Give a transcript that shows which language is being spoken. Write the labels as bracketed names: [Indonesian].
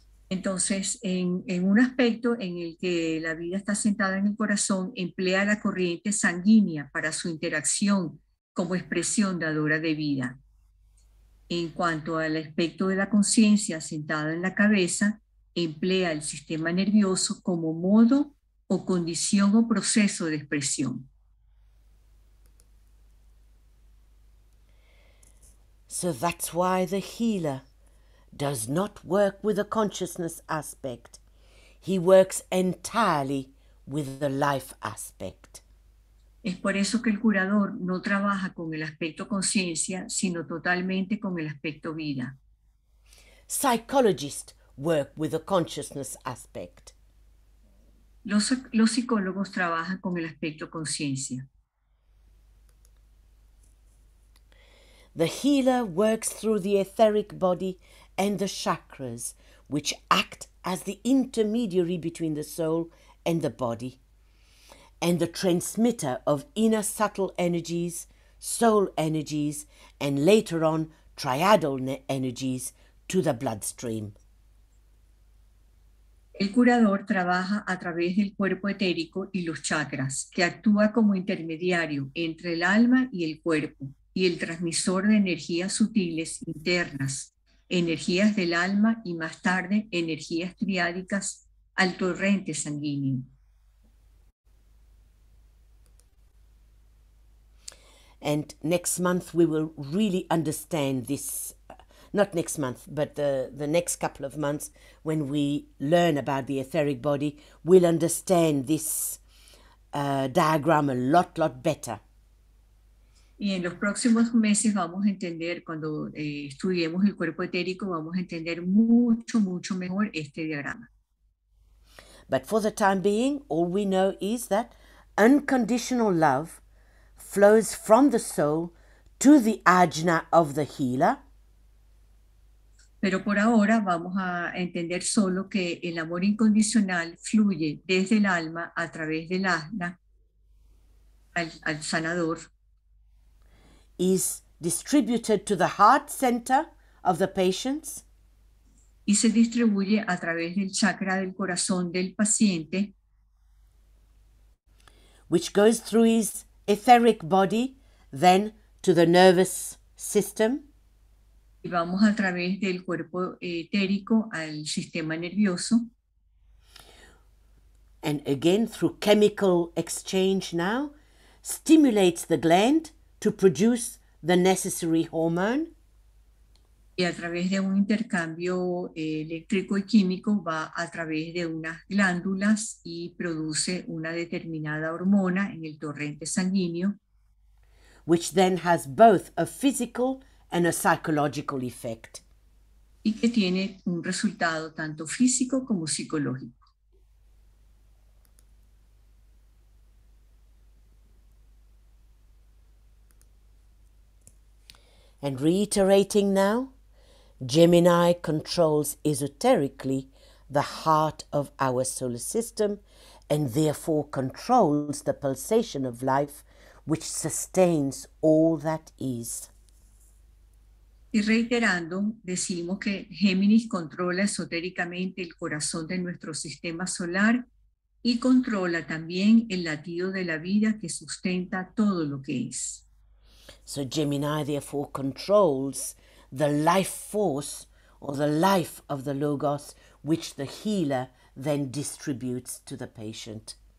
[Spanish] Entonces, en un aspecto en el que la vida está sentada en el corazón, emplea la corriente sanguínea para su interacción como expresión dadora de vida. En cuanto al aspecto de la conciencia sentada en la cabeza, emplea el sistema nervioso como modo o condición o proceso de expresión. [English] So that's why the healer does not work with the consciousness aspect. He works entirely with the life aspect. [Spanish] Es por eso que el curador no trabaja con el aspecto conciencia, sino totalmente con el aspecto vida. [English] Psychologists work with the consciousness aspect. [Spanish] Los psicólogos trabajan con el aspecto conciencia. [English] The healer works through the etheric body and the chakras, which act as the intermediary between the soul and the body, and the transmitter of inner subtle energies, soul energies, and later on, triadal energies to the bloodstream. [Spanish] El curador trabaja a través del cuerpo etérico y los chakras, que actúa como intermediario entre el alma y el cuerpo, y el transmisor de energías sutiles internas, energías del alma y más tarde energías triádicas al torrente sanguíneo. [English] And next month we will really understand this. Not next month, but the next couple of months, when we learn about the etheric body, we'll understand this diagram a lot better. [Spanish] Y en los próximos meses vamos a entender, cuando estudiemos el cuerpo etérico, vamos a entender mucho mejor este diagrama. [English] But for the time being, all we know is that unconditional love flows from the soul to the ajna of the healer. [Spanish] Pero por ahora vamos a entender solo que el amor incondicional fluye desde el alma a través del ajna al sanador. [English] Is distributed to the heart center of the patients. [Spanish] Y se distribuye a través del chakra del corazón del paciente. [English] Which goes through his etheric body, then to the nervous system. [Spanish] Y vamos a través del cuerpo etérico al sistema nervioso. [English] And again, through chemical exchange now, stimulates the gland to produce the necessary hormone. [Spanish] Y a través de un intercambio eléctrico y químico va a través de unas glándulas y produce una determinada hormona en el torrente sanguíneo. [English] Which then has both a physical and a psychological effect. [Spanish] Y que tiene un resultado tanto físico como psicológico. [English] And reiterating now, Gemini controls esoterically the heart of our solar system and therefore controls the pulsation of life which sustains all that is. [Spanish] Y reiterando, decimos que Géminis controla esotéricamente el corazón de nuestro sistema solar y controla también el latido de la vida que sustenta todo lo que es. [English] So Gemini therefore controls the life force or the life of the logos which the healer then distributes to the patient.